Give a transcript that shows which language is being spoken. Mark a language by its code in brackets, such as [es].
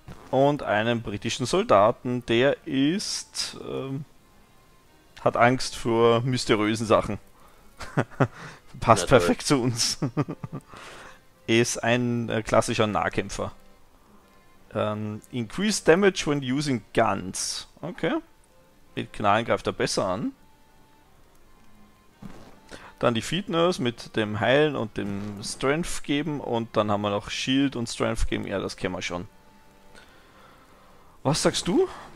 [de] Und einen britischen Soldaten, der ist. Hat Angst vor mysteriösen Sachen. Passt ja, perfekt zu uns. Ist ein klassischer Nahkämpfer. [en] Increased damage when using guns. [de] Okay. Mit Knallen greift er besser an. Dann die Fitness mit dem Heilen und dem Strength geben. Und dann haben wir noch Shield und Strength geben. Ja, das kennen wir schon. Was sagst du?